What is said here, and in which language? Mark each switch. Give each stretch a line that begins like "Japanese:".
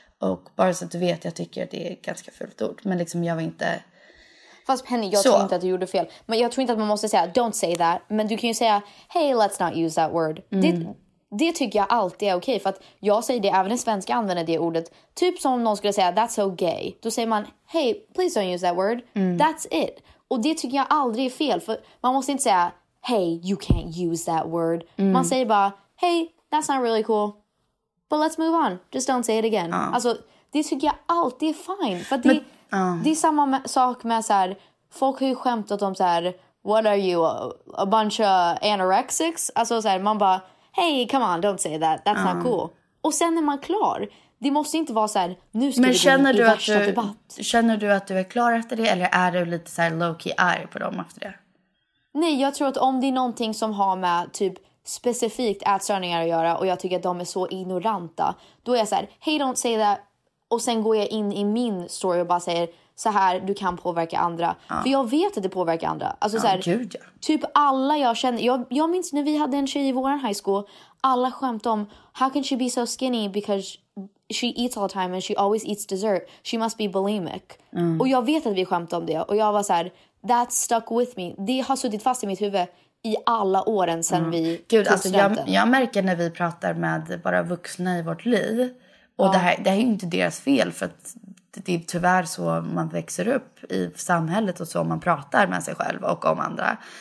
Swedish: Och bara så att du vet, jag tycker att det är ganska fult ord. Men liksom jag var inte... Fast Penny, jag tror inte att du gjorde fel. Men jag tror inte att man måste säga,
English: don't say that.
Swedish: Men du kan ju säga,
English: hey, let's not use that word.
Swedish: Det tycker jag alltid är okej, för att jag säger det, även en svensk använder det ordet. Typ som om någon skulle säga,
English: that's so gay.
Swedish: Då säger man,
English: hey, please don't use that word. Mm. That's it.
Swedish: Och det tycker jag aldrig är fel, för man måste inte säga,
English: hey, you can't use that word. Mm.
Swedish: Man säger bara,
English: hey, that's not really cool. But let's move on. Just don't say it again. Oh.
Swedish: Alltså, det tycker jag alltid är fine. För det, det är samma sak med så här, folk har ju skämtat om så här,
English: what are you, a bunch of anorexics?
Swedish: Alltså så här, man bara...
English: Hey, come on, don't say that. That's not cool.
Swedish: Och sen är man klar. Det måste inte vara så här, nu ska men vi gå in i värsta debatt. Känner du att du är klar efter det? Eller är du lite så här low-key arg på dem efter det? Nej, jag tror att om det är någonting som har med typ specifikt ätstörningar att göra och jag tycker att de är så ignoranta, då är jag så här,
English: hey, don't say that.
Swedish: Och sen går jag in i min story och bara säger, så här, du kan påverka andra. För jag vet att det påverkar andra. Alltså, så här, gud, ja. Typ alla jag känner... Jag minns när vi hade en tjej i våran high school. Alla skämt om,
English: how can she be so skinny? Because she eats all the time and she always eats dessert. She must be bulimic. Mm.
Swedish: Och jag vet att vi skämt om det. Och jag var så här,
English: that stuck with me.
Swedish: Det har suttit fast i mitt huvud i alla åren sedan vi... Gud, alltså, jag märker när vi pratar med bara vuxna i vårt liv. Och det här är ju inte deras fel, för att det är tyvärr så man växer upp i samhället och så man pratar med sig själv och om andra.